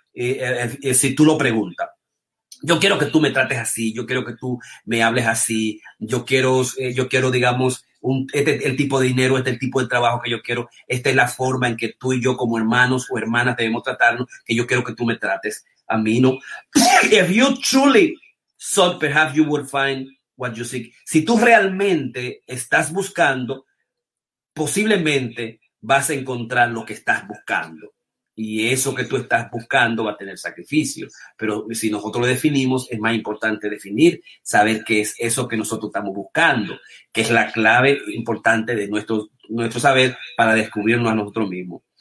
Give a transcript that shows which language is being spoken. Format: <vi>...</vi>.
<es>Si tú lo preguntas. Yo quiero que tú me trates así, yo quiero que tú me hables así, yo quiero, digamos, este es el tipo de dinero, este es el tipo de trabajo que yo quiero, esta es la forma en que tú y yo como hermanos o hermanas debemos tratarnos, que yo quiero que tú me trates a mí, ¿no?</es> <en>If you truly sought, perhaps you would find what you seek.</en> <es>Si tú realmente estás buscando, posiblemente vas a encontrar lo que estás buscando. Y eso que tú estás buscando va a tener sacrificio. Pero si nosotros lo definimos, es más importante definir, saber qué es eso que nosotros estamos buscando, que es la clave importante de nuestro saber para descubrirnos a nosotros mismos.</es>